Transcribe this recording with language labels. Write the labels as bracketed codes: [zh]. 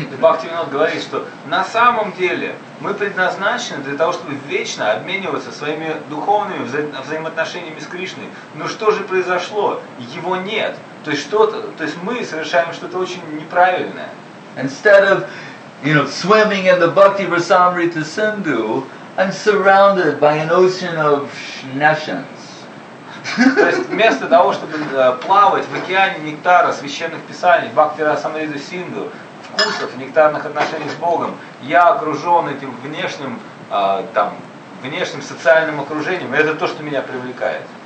[ru] Бхактивинод говорит, что на самом деле мы предназначены для того, чтобы вечно обмениваться своими духовными взаимоотношениями с Кришной. Но что же произошло? Его нет. То есть что-то, то есть мы совершаем что-то очень неправильное. [en] Instead of, you know, swimming in the Bhakti Rasamrita Sindhu, I'm surrounded by an ocean of nations. [ru] То есть вместо того, чтобы плавать в океане нектара священных писаний, Бхакти Расамрита Синду, вкусов, нектарных отношений с Богом, я окружен этим внешним, там, внешним социальным окружением, и это то, что меня привлекает.